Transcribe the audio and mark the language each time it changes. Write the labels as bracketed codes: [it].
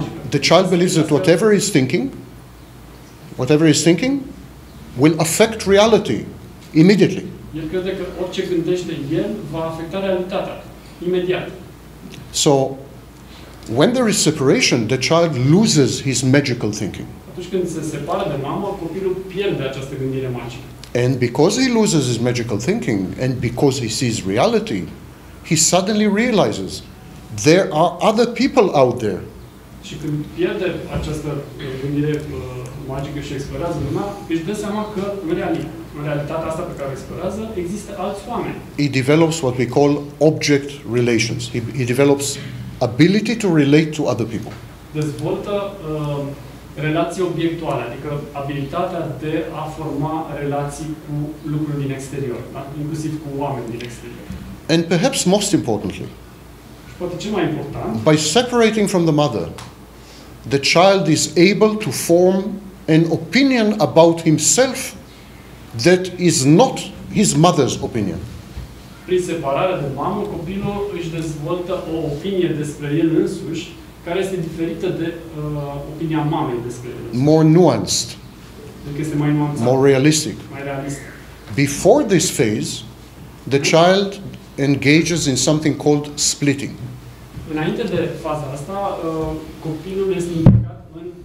[en] The child believes that whatever he's thinking will affect reality immediately. [ro] El crede că orice gândește el va afecta realitatea imediat. [en] So when there is separation, the child loses his magical thinking. [ro] Atunci când se separă de mamă, copilul pierde această gândire magică. [en] And because he loses his magical thinking and because he sees reality, he suddenly realizes there are other people out there. [ro] Și când pierde această gândire magică și explorează lumea, își dă seama că în realitatea asta pe care explorează, există alți oameni. [en] He develops what we call object relations. He develops ability to relate to other people. [ro] Dezvoltă relații obiectuale, adică abilitatea de a forma relații cu lucruri din exterior, da? Inclusiv cu oameni din exterior. [en] And perhaps most importantly, [ro] și poate cel mai important, [en] by separating from the mother, the child is able to form an opinion about himself that is not his mother's opinion. [ro] Prin separarea de mamă, copilul își dezvoltă o opinie despre el însuși care este diferită de opinia mamei despre el. [en] More nuanced. [ro] Adică este mai nuanțat. [en] More realistic. [ro] Mai realist. [en] Before this phase, the child engages in something called splitting. [ro] Înainte de faza asta, copilul este implicat în